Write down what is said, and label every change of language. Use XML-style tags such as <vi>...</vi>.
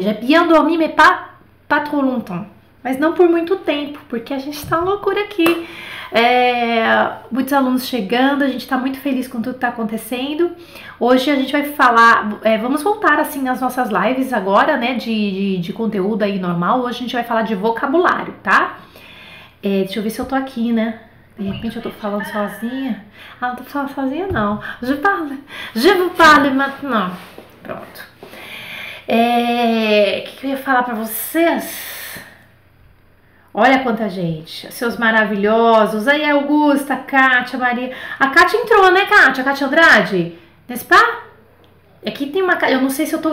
<fr>J'ai bien dormi, mais pas trop longtemps.</fr> <pt>Mas não por muito tempo, porque a gente tá loucura aqui. Muitos alunos chegando, a gente tá muito feliz com tudo que tá acontecendo. Hoje a gente vai falar, vamos voltar assim nas nossas lives agora, né? De conteúdo aí normal. Hoje a gente vai falar de vocabulário, tá? Deixa eu ver se eu tô aqui, né? De repente eu tô falando sozinha. Ah, não tô falando sozinha, não.</pt> <fr>Je vous parle, maintenant.</fr> <pt>Pronto. Que eu ia falar pra vocês? Olha quanta gente, seus maravilhosos. Aí, Augusta, Kátia, Maria. A Kátia entrou, né, Kátia? Kátia Andrade? Nesse pá? Aqui tem uma. Eu não sei se eu tô.</pt>